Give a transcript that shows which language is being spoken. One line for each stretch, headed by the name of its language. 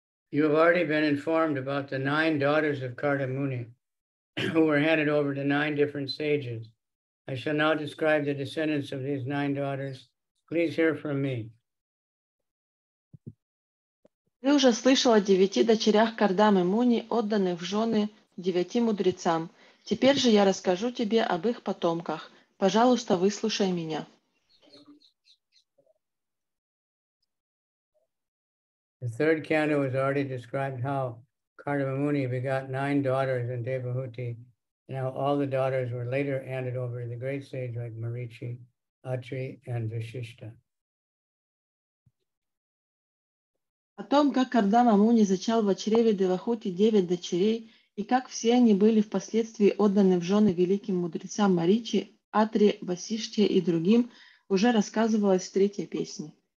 English: You have already been informed about the nine daughters of Kardamuni, who were handed over to nine different sages. I shall now describe the descendants of these nine daughters. Please hear from me.
Russian: Ты уже слышал о девяти дочерях Кардамы Муни, отданных в жены девяти мудрецам. Теперь же я расскажу тебе об их потомках. Пожалуйста, выслушай меня.
English: The third canto has already described how Kardama Muni begot nine daughters in Devahuti, and how all the daughters were later handed over to the great sage like Marichi, Atri, and Vishishta.
Russian: О том, как Кардама Муни зачал в чреве Девахути девять дочерей, и как все они были впоследствии отданы в жены великим мудрецам Маричи, Атри, Васиште и другим, уже рассказывалось в третьей песне.